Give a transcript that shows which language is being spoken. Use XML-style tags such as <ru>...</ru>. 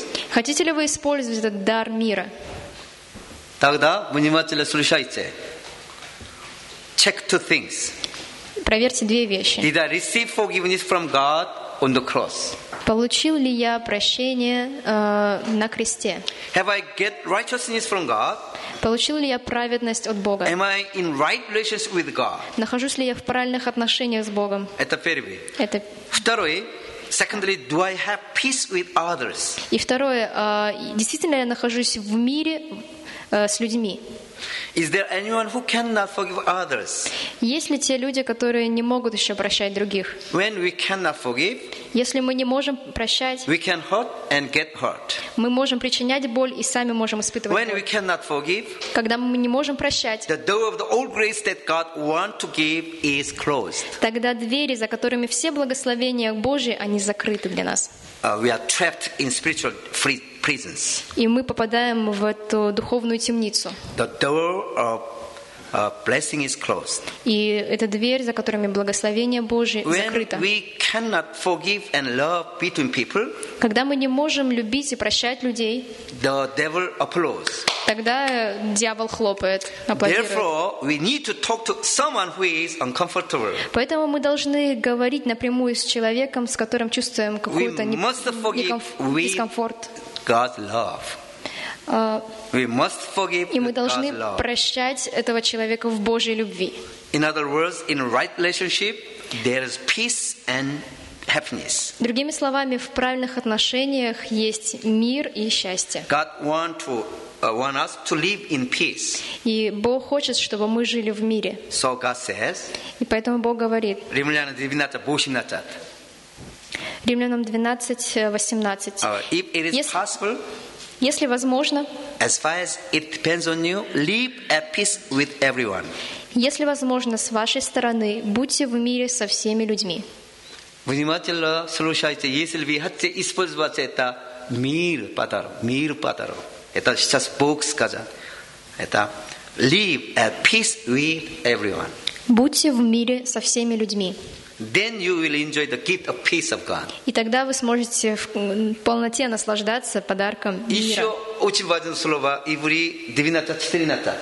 <ru>Хотите ли вы использовать этот дар мира? Тогда внимательно слушайте.</ru> <en>Check two things.</en> <ru>Проверьте две вещи.</ru> <en>Did I receive forgiveness from God on the cross?</en> <ru>Получил ли я прощение на кресте?</ru> <en>Have I get righteousness from God?</en> <ru>Получил ли я праведность от Бога?</ru> <en>Am I in right relationship with God?</en> <ru>Нахожусь ли я в правильных отношениях с Богом? Это первый. Это второй.</ru> <en>Secondly, do I have peace with others?</en> <ru>И второе, действительно я нахожусь в мире с людьми?</ru> <en>Is there anyone who cannot forgive others?</en> <ru>Есть ли те люди, которые не могут еще прощать других?</ru> <en>When we cannot forgive,</en> <ru>если мы не можем прощать,</ru> <en>we can hurt and get hurt.</en> <ru>Мы можем причинять боль и сами можем испытывать</ru> <en>when</en> <ru>боль.</ru> <en>When we cannot forgive,</en> <ru>когда мы не можем прощать,</ru> <en>the door of the old grace that God wants to give is closed.</en> <ru>Тогда двери, за которыми все благословения Божьи, они закрыты для нас.</ru> <en>We are trapped in spiritual prisons.</en> <ru>И мы попадаем в эту духовную темницу.</ru> <en>The door of blessing is closed.</en> <ru>И эта дверь, за которыми благословение Божие закрыто.</ru> <en>When we cannot forgive and love between people,</en> <ru>когда мы не можем любить и прощать людей,</ru> <en>the devil applauds.</en> <ru>Тогда дьявол хлопает, аплодирует.</ru> <en>Therefore, we need to talk to someone who is uncomfortable.</en> <ru>Поэтому мы должны говорить напрямую с человеком, с которым чувствуем какую-то дискомфорт.</ru> <en>God's love. We must forgive.</en> <ru>И мы должны прощать этого человека в Божьей любви.</ru> <en>In other words, in right relationship, there is peace and happiness.</en> <ru>Другими словами, в правильных отношениях есть мир и счастье.</ru> <en>God wants to want us to live in peace.</en> <ru>И Бог хочет, чтобы мы жили в мире.</ru> <en>So God says.</en> <ru>И поэтому Бог говорит. Римлянам 12:18. Римлянам 12:18.</ru> <en>If it is possible.</en> <ru>Если возможно,</ru> <en>as far as it depends on you, live at peace with everyone.</en> <ru>Если возможно, с вашей стороны, будьте в мире со всеми людьми. Внимательно слушайте, если вы хотите использовать это мир подарок. Это сейчас Бог сказал. Это</ru> <en>live at peace with everyone.</en> <ru>Будьте в мире со всеми людьми.</ru> <en>Then you will enjoy the gift of peace of God.</en> <ru>И тогда вы сможете в полноте наслаждаться подарком мира. Еще очень важное слово Иври 12:14.</ru>